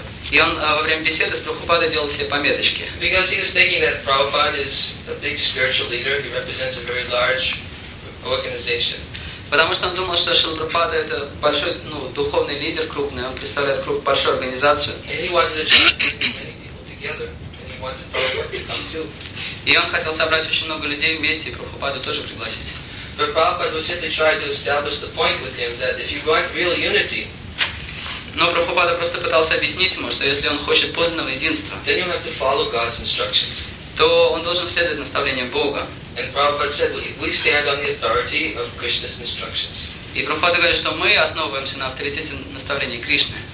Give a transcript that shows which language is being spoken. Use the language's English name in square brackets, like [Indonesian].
[Russian] И он во время беседы с Прабхупадой делал себе пометочки. [English] Because he was thinking that Prabhupada is a big spiritual leader, he represents a very large organization. [Russian] Потому что он думал, что Шрила Прабхупада это большой, духовный лидер крупный, он представляет большую организацию. [English] And he wanted to join many people together, and he wanted Prabhupada to come too. [Russian] И он хотел собрать очень много людей вместе и Прабхупаду тоже пригласить. [English] But Prabhupada was simply trying to establish the point with him that if you want real unity, [Russian] но Прабхупада просто пытался объяснить ему, что если он хочет подлинного единства, [English] then you have to follow God's instructions. [Russian] То он должен следовать наставлениям Бога. [English] And Prabhupada said, we stand on the authority of Krishna's instructions. [Russian] И Прабхупада говорит, что мы основываемся на авторитете наставлений Кришны.